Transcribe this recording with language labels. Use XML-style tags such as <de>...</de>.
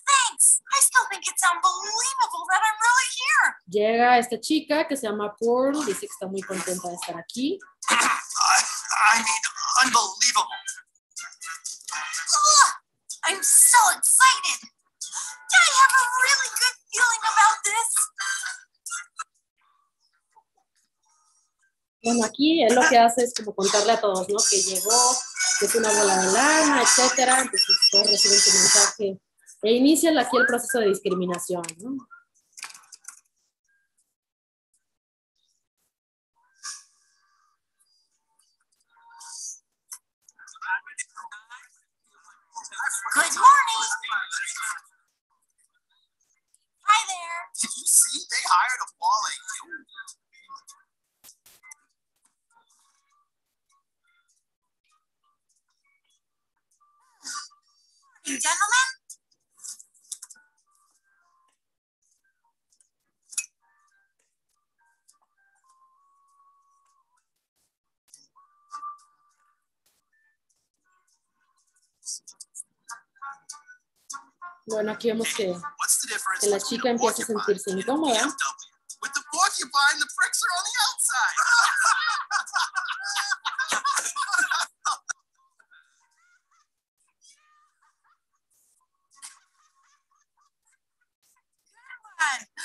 <en>Thanks. I still think it's unbelievable that I'm really here.</en> <es>Llega esta chica que se llama Pearl, dice que está muy contenta de estar aquí.</es> <en>I mean, unbelievable. Ugh, I'm so excited. Yeah, I have a really good feeling about this.</en> <es>Bueno, aquí él lo que hace es como contarle a todos, ¿no? Que llegó, que es una bola de lana, etcétera. Entonces, pues, recibe este mensaje. E inicia aquí el proceso de discriminación, ¿no?</es> <en>Good morning. Hi there. Did you see? They hired a Wally. Gentlemen.</en> <es>Bueno, aquí vemos que la chica empieza a sentirse incómoda.</es> <en>With the porcupine, the pricks are on the outside.</en>